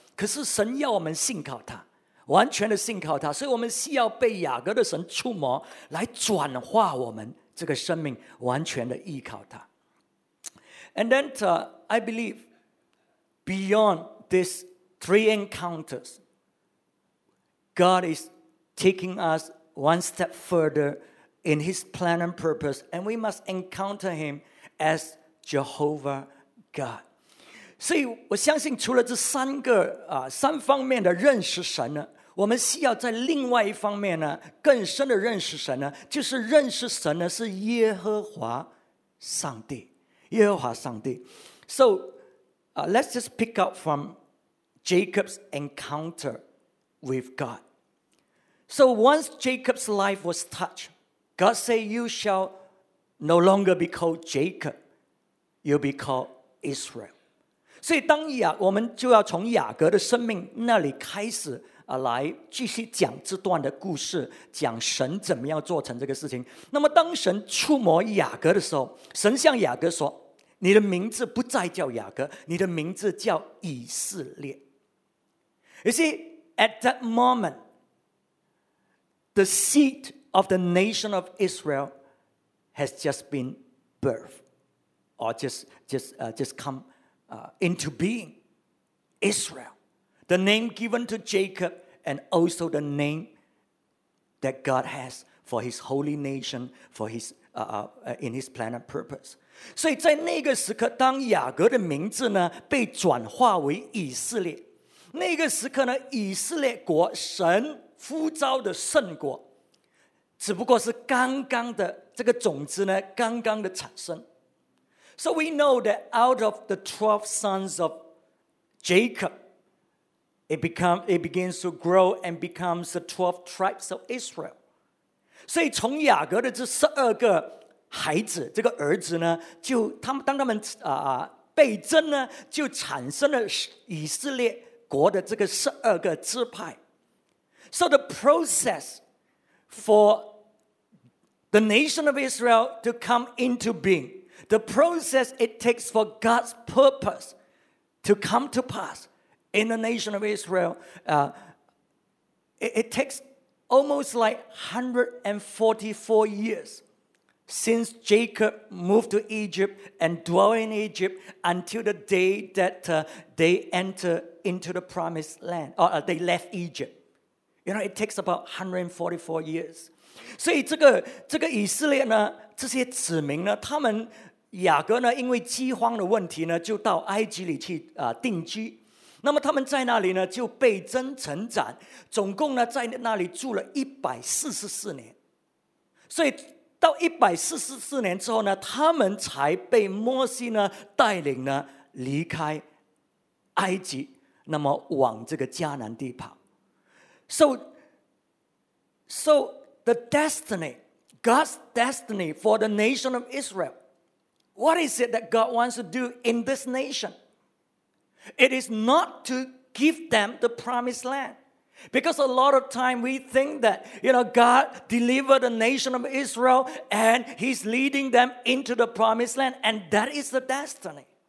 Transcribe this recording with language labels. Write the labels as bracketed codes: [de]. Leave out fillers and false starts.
[zh] 可是神要我们信靠他，完全的信靠他，所以我们需要被雅各的神触摸，来转化我们这个生命，完全的依靠他。 [en] And then I believe beyond these three encounters,God is taking us one step further in His plan and purpose, and we must encounter Him as Jehovah God. [zh] 所以我相信除了这三方面的认识神呢，我们需要在另外一方面呢，更深的认识神呢，就是认识神呢是耶和华上帝，耶和华上帝。 [en] So, let's just pick up from Jacob's encounter with God. So once Jacob's life was touched, God said, you shall no longer be called Jacob, you'll be called Israel. [zh] 所以当我们就要从雅各的生命那里开始来继续讲这段的故事，讲神怎么样做成这个事情。那么当神触摸雅各的时候，神向雅各说，你的名字不再叫雅各，你的名字叫以色列。 [en] You see,At that moment, the seed of the nation of Israel has just been birthed, or just come into being. Israel, the name given to Jacob, and also the name that God has for His holy nation, for His in His plan and purpose. [zh] 所以在那个时刻，当雅各的名字呢被转化为以色列，那个时刻呢，以色列国神呼召的圣国，只不过是刚刚的这个种子呢，刚刚的产生。 [en] So we know that out of the 12 sons of Jacob, it begins to grow and becomes the 12 tribes of Israel. [zh] 所以从雅各的这十二个孩子，这个儿子呢，就他们当他们啊、倍增呢，就产生了以色列国的这个十二个支派。 [en] So the process for the nation of Israel to come into being, the process it takes for God's purpose to come to pass in the nation of Israel, it takes almost like 144 years since Jacob moved to Egypt and dwelt in Egypt until the day that they entered into the promised land, or they left Egypt. You know, it takes about 144 years. [zh] 所以这个以色列呢，这些子民呢，他们雅各呢，因为饥荒的问题呢，就到埃及里去定居。那么他们在那里呢，就倍增成长，总共呢，在那里住了144年。所以到144年之后呢，他们才被摩西呢带领呢离开埃及，那么往这个迦南地跑。 [en] So the destiny, God's destiny for the nation of Israel, what is it that God wants to do in this nation? It is not to give them the promised land. Because a lot of time we think that, you know, God delivered the nation of Israel and he's leading them into the promised land, and that is the destiny.